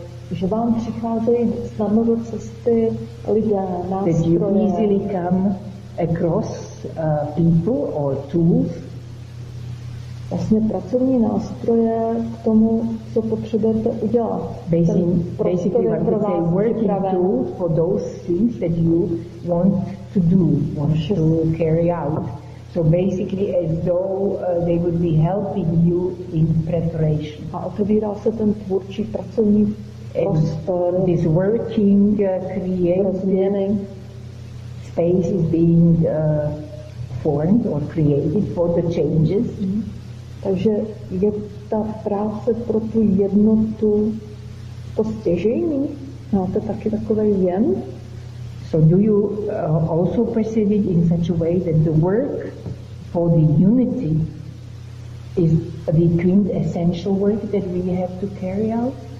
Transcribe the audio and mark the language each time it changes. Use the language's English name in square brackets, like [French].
[Czech] že vám přicházejí snadno do cesty lidé, nástroje, [English] that you easily come across people or tools, [Czech] vlastně pracovní nástroje k tomu, co potřebujete udělat. [English] Basically, what we say, working tools for those things that you want to do, want to carry out. So basically, as though they would be helping you in preparation. [Czech] A otevírá se ten tvůrčí pracovní prostor. [English] And this working, creative space is being formed or created for the changes. [Czech] Takže je ta práce pro tu jednotu to stěžejný? Máte taky takový jen? [English] So do you also perceive it in such a way that the work for the unity is the quintessential work that we have to carry out?